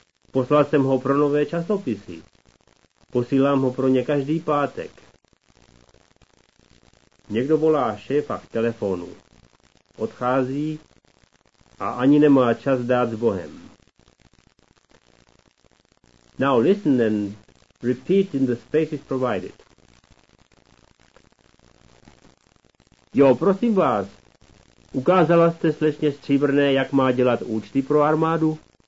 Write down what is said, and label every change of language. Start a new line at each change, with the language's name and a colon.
Czech: Poslal jsem ho pro nové časopisy. Posílám ho pro ně každý pátek. Někdo volá šéfa k telefonu. Odchází a ani nemá čas dát s Bohem.
English: Now listen and repeat in the spaces provided.
Czech: Jo, prosím vás, ukázala jste slečně Stříbrné, jak má dělat účty pro armádu?